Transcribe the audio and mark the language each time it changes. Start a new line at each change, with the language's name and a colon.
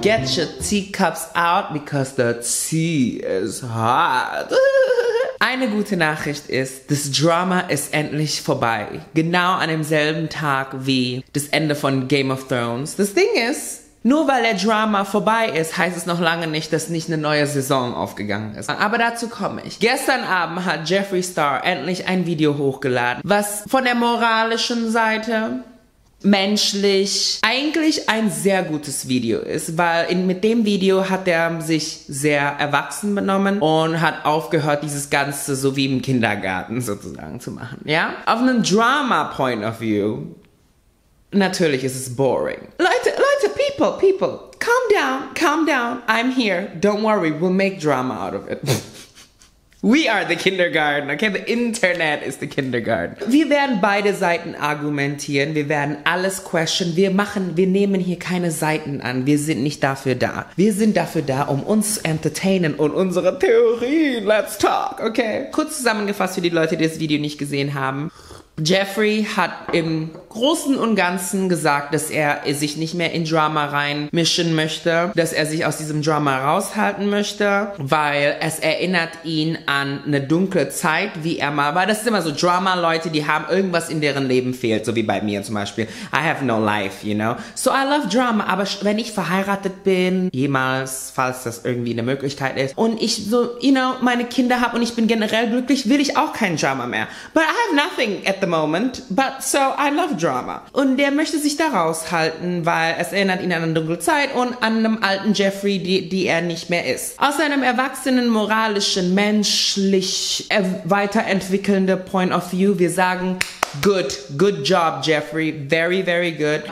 English: Get your teacups out because the tea is hot.
German: Eine gute Nachricht ist, das Drama ist endlich vorbei. Genau an demselben Tag wie das Ende von Game of Thrones. Das Ding ist, nur weil der Drama vorbei ist, heißt es noch lange nicht, dass nicht eine neue Saison aufgegangen ist. Aber dazu komme ich. Gestern Abend hat Jeffree Star endlich ein Video hochgeladen, was von der moralischen Seite, menschlich, eigentlich ein sehr gutes Video ist, weil mit dem Video hat er sich sehr erwachsen benommen und hat aufgehört, dieses Ganze so wie im Kindergarten sozusagen zu machen, ja? Auf einem Drama-Point of View, natürlich ist es boring.
English: Leute, people, people, calm down, I'm here, don't worry, we'll make drama out of it. We are the kindergarten, okay? The Internet is the kindergarten.
German: Wir werden beide Seiten argumentieren, wir werden alles questionen, wir nehmen hier keine Seiten an, wir sind nicht dafür da. Wir sind dafür da, um uns zu entertainen und unsere Theorie,
English: let's talk, okay?
German: Kurz zusammengefasst für die Leute, die das Video nicht gesehen haben. Jeffree hat im Großen und Ganzen gesagt, dass er sich nicht mehr in Drama reinmischen möchte, dass er sich aus diesem Drama raushalten möchte, weil es erinnert ihn an eine dunkle Zeit, wie er mal war. Das ist immer so, Drama-Leute, die haben irgendwas in deren Leben fehlt, so wie bei mir zum Beispiel.
English: I have no life, you know? So I love Drama,
German: aber wenn ich verheiratet bin, jemals, falls das irgendwie eine Möglichkeit ist, und ich so, you know, meine Kinder habe und ich bin generell glücklich, will ich auch kein Drama mehr.
English: But I have nothing at the moment, but so I love drama.
German: Und der möchte sich da raushalten, weil es erinnert ihn an eine dunkle Zeit und an einem alten Jeffree, die er nicht mehr ist. Aus seinem erwachsenen, moralischen, menschlich weiterentwickelnde Point of View, wir sagen,
English: good job, Jeffree, very, very good.